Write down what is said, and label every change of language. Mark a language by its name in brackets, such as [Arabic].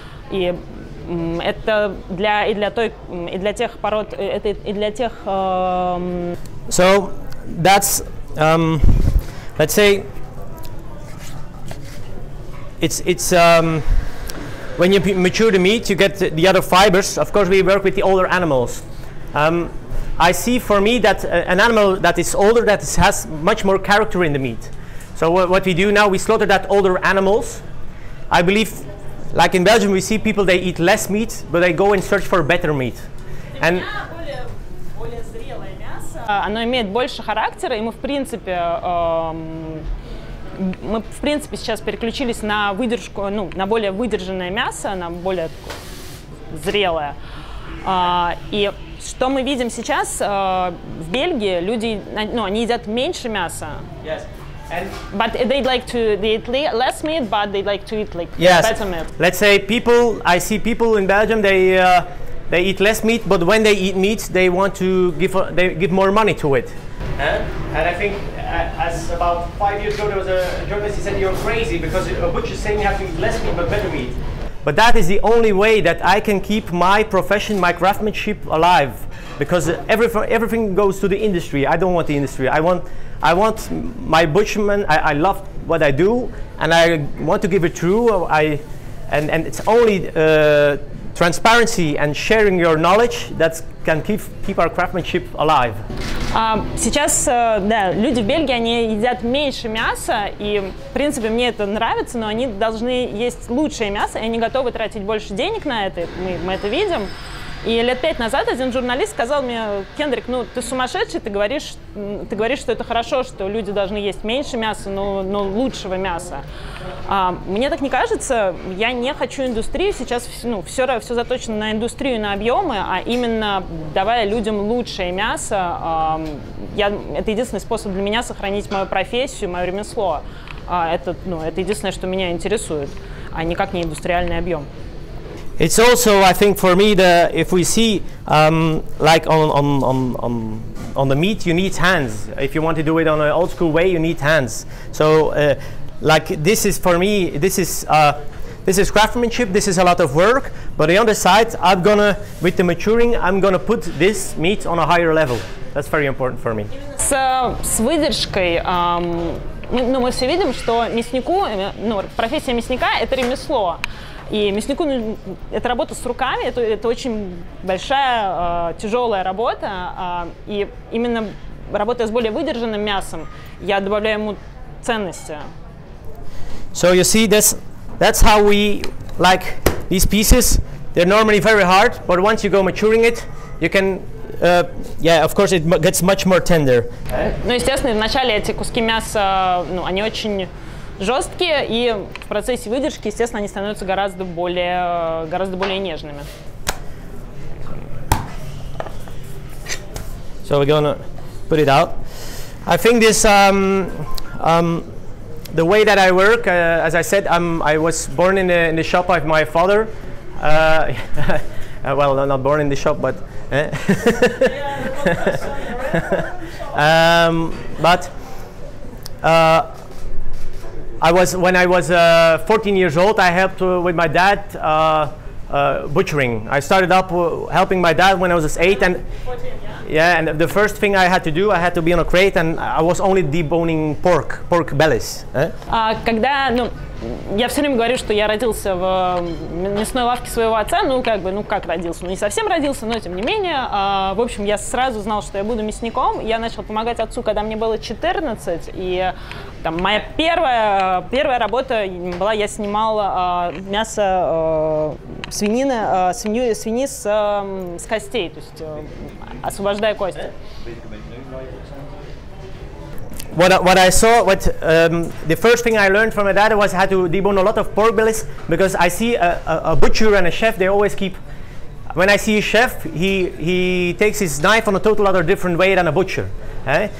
[Russian] И это для и для той и для тех пород это и для тех [English] So that's let's say it's when you mature the meat, you get the other fibers. Of course, we work with the older animals. I see for me that an animal that is older that has much more character in the meat. So what we do now, we slaughter that older animals. I believe, like in Belgium, we see people, they eat less meat, but they go and search for better meat. And [Russian] более зрелое мясо, оно имеет больше характера, и мы в принципе сейчас переключились на выдержку, ну, на более выдержанное мясо, на более зрелое. И что мы видим сейчас в Бельгии, люди, ну, они едят меньше мяса. [English] Yes. But they'd like to eat less meat, but they'd like to eat better meat. Let's say I see people in Belgium, they eat less meat, but when they eat meat, they want to give more money to it. And I think as about 5 years ago, there was a journalist, he said, you're crazy, because a butcher is saying you have to eat less meat, but better meat. But that is the only way that I can keep my profession, my craftsmanship alive, because everything goes to the industry. I don't want the industry. I want my butcherman. I love what I do, and I want to give it true. And it's only transparency and sharing your knowledge that can keep our craftsmanship alive. [Russian] Сейчас, да, люди в Бельгии, они едят меньше мяса, и, в принципе, мне это нравится, но они должны есть лучшее мясо, и они готовы тратить больше денег на это, мы это видим. И лет 5 назад один журналист сказал мне: Хендрик, ну, ты сумасшедший, ты говоришь, что это хорошо, что люди должны есть меньше мяса, но лучшего мяса. Мне так не кажется, я не хочу индустрию, сейчас, ну, все заточено на индустрию, на объемы, а именно давая людям лучшее мясо, это единственный способ для меня сохранить мою профессию, мое ремесло. Это единственное, что меня интересует, а никак не индустриальный объем. [English] It's also, I think, for me, the if we see like on the meat, you need hands. If you want to do it on an old school way, you need hands. So, like this is for me, this is craftsmanship. This is a lot of work. But on the side, I'm gonna with the maturing, I'm gonna put this meat on a higher level. That's very important for me. [Russian] С выдержкой. Ну, мы все видим, что мяснику, ну, профессия мясника – это ремесло. И мяснику, ну, это работа с руками, это очень большая, тяжелая работа. И именно работая с более выдержанным мясом, я добавляю ему ценности. [English] So you see, that's how we like these pieces. They're normally very hard, but once you go maturing it, you can of course, it gets much more tender. [Russian] Ну, естественно, вначале эти куски мяса, ну, они очень жесткие, и в процессе выдержки, естественно, они становятся гораздо более нежными. [English] So we're gonna put it out. I think this the way that I work, as I said, I was born in the shop of my father. Well, I'm not born in the shop, but I was 14 years old, I helped with my dad butchering. I started up helping my dad when I was 8, and 14, yeah? Yeah, and the first thing I had to do, I had to be on a crate, and I was only deboning pork bellies. [Russian] Когда, ну, я все время говорю, что я родился в мясной лавке своего отца, ну как бы, ну как родился, ну не совсем родился, но тем не менее, в общем, я сразу знал, что я буду мясником. Я начал помогать отцу, когда мне было 14, и там моя первая работа была, я снимал мясо свинины, свини с костей, то есть освобождая кости. [English] What I saw, what the first thing I learned from my dad was I had to debone a lot of pork bellies, because I see a butcher and a chef, they always keep, when I see a chef, he takes his knife on a total other different way than a butcher. Eh?